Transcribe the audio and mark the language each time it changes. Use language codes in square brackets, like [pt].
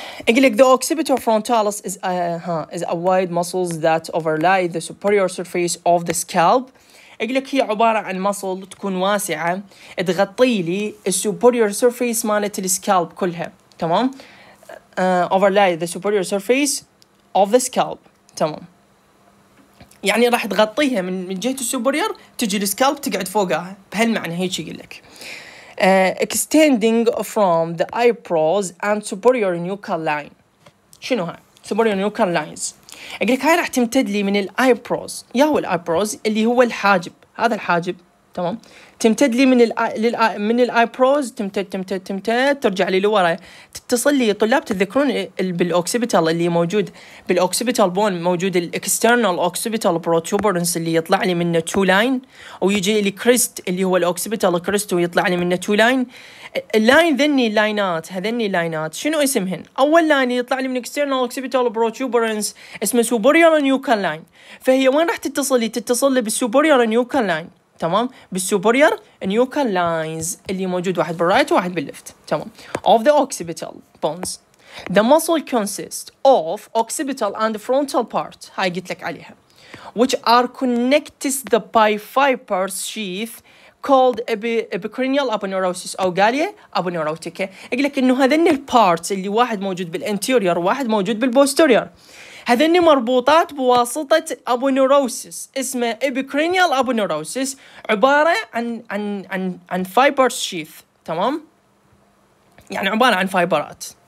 [en] The occipital frontalis is a wide muscles that overlie the superior surface of the scalp. [ar] أقولك هي عبارة عن مصل تكون واسعة تغطي لي superior surface مالت السكالب كلها، تمام؟ [en] Overlie the superior surface of the scalp، [ar] تمام؟ يعني راح تغطيها من جهة السوبرير تجي السكالب تقعد فوقها، بهالمعنى هيك يقولك. [en] Extending from the eyebrows and superior nuchal line. [ar] شنو هاي؟ [en] Superior nuchal lines. [ar] أقولك هاي راح تمتد لي من الايبروز. يا هو الايبروز اللي هو الحاجب. هذا الحاجب. تمام. تمتد لي من من الايبروز تمتد ترجع لي لورا. تتصل لي طلاب تذكرون بالأوكسيبيتال اللي موجود بالأوكسيبيتال بون موجود الاكسترنال أوكسيبيتال بروتوبرنس اللي يطلع لي منه تو لاين ويجي لي كريست اللي هو الأوكسيبيتال كريست ويطلع لي منه تو لاين. اللاين ذني لاينات، هذني لاينات شنو اسمهن؟ أول لاين يطلع لي من الاكسترنال أوكسيبيتال بروتوبرنس اسمه سوبريال نيوكال لاين. فهي وين راح تتصل لي؟ تتصل لي بالسوبريال نيوكال لاين، تمام، بالسوبريور نيوكال لاينز اللي موجود واحد بالرايت واحد باللفت، تمام. [en] Of the occipital bones the muscle consists of occipital and frontal part، [ar] هاي قلت لك عليها، [en] which are connected to the bifipers sheath called epicranial aponeurosis او galea aponeurotica. [ar] اقول لك انه هذني البارتس اللي واحد موجود بالانتيريور واحد موجود بالبوستيريور، هذني مربوطات بواسطة أبونيروسيس اسمه إبيكرينيال أبونيروسيس، عبارة عن عن عن عن فايبر شيف، تمام، يعني عبارة عن فايبرات.